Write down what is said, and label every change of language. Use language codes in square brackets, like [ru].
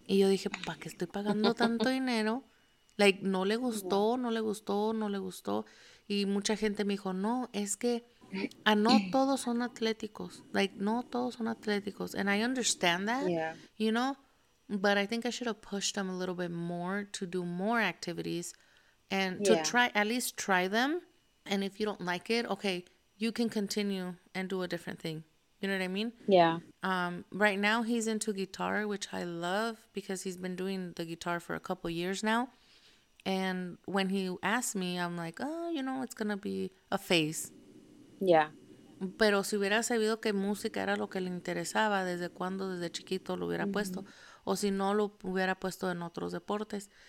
[es] Y yo dije, ¿para qué estoy pagando tanto dinero? Like, no le gustó. Y mucha gente me dijo, no, es que no todos son atléticos. [en] Like, [es] no todos son atléticos. [en] And I understand that, you know? But I think I should have pushed them a little bit more to do more activities and to try, at least try them. And if you don't like it, okay, you can continue and do a different thing. You know what I mean? Yeah. Right now he's into guitar, which I love because he's been doing the guitar for a couple years now. And when he asked me, I'm like, oh, you know, it's going to be a phase. Yeah. [es] Pero si hubiera sabido que música era lo que le interesaba, ¿desde cuándo, desde chiquito lo hubiera puesto? O si no, lo hubiera puesto en otros deportes.